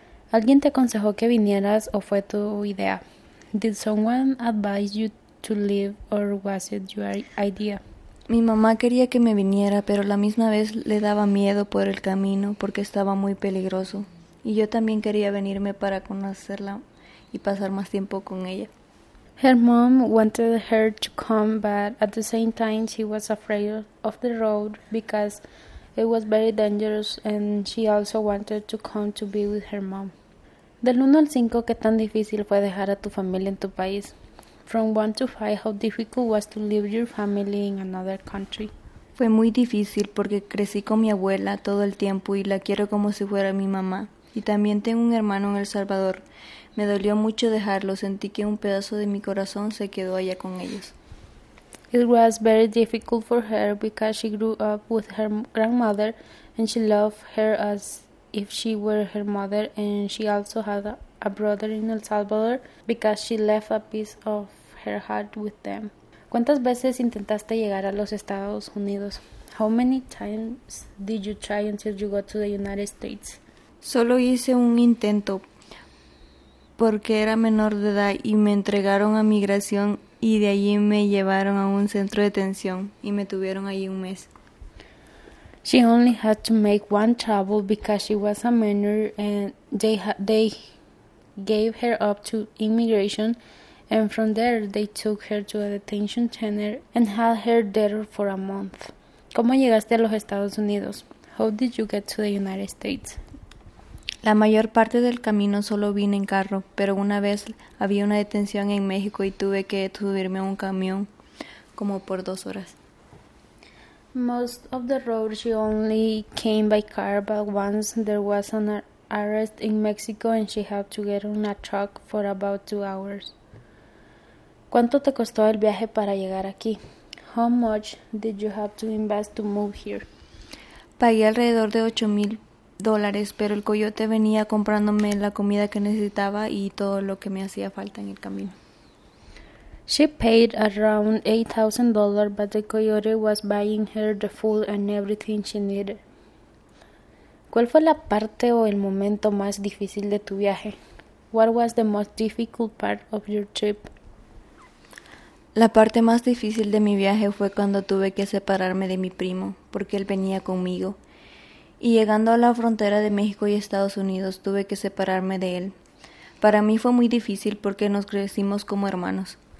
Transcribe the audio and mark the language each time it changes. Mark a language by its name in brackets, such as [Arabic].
[Spanish] ¿Alguien te aconsejó que vinieras o fue tu idea? [English] Did someone advise you to leave or was it your idea? [Spanish] Mi mamá quería que me viniera, pero la misma vez le daba miedo por el camino porque estaba muy peligroso. Y yo también quería venirme para conocerla y pasar más tiempo con ella. [English] Her mom wanted her to come, but at the same time she was afraid of the road because it was very dangerous and she also wanted to come to be with her mom. [Spanish] Del 1 al 5, ¿qué tan difícil fue dejar a tu familia en tu país? [English] From 1 to 5, how difficult was to leave your family in another country? [Spanish] Fue muy difícil porque crecí con mi abuela todo el tiempo y la quiero como si fuera mi mamá. Y también tengo un hermano en El Salvador. Me dolió mucho dejarlo. Sentí que un pedazo de mi corazón se quedó allá con ellos. [English] It was very difficult for her because she grew up with her grandmother and she loved her as if she were her mother, and she also had a brother in El Salvador because she left a piece of her heart with them. [Spanish] ¿Cuántas veces intentaste llegar a los Estados Unidos? [English] How many times did you try until you got to the United States? [Spanish] Solo hice un intento porque era menor de edad y me entregaron a migración y de allí me llevaron a un centro de detención y me tuvieron allí un mes. [English] She only had to make one travel because she was a minor and they gave her up to immigration and from there they took her to a detention center and had her there for a month. [Spanish] ¿Cómo llegaste a los Estados Unidos? [English] How did you get to the United States? [Spanish] La mayor parte del camino solo vine en carro, pero una vez había una detención en México y tuve que subirme a un camión como por 2 horas. [English] Most of the road she only came by car, but once there was an arrest in Mexico and she had to get on a truck for about 2 hours. [Spanish] ¿Cuánto te costó el viaje para llegar aquí? [English] How much did you have to invest to move here? [Spanish] Pagué alrededor de $8,000, pero el coyote venía comprándome la comida que necesitaba y todo lo que me hacía falta en el camino. [English] She paid around $8,000, but the coyote was buying her the food and everything she needed. [Spanish] ¿Cuál fue la parte o el momento más difícil de tu viaje? [English] What was the most difficult part of your trip? [Spanish] La parte más difícil de mi viaje fue cuando tuve que separarme de mi primo, porque él venía conmigo. Y llegando a la frontera de México y Estados Unidos, tuve que separarme de él. Para mí fue muy difícil porque nos crecimos como hermanos.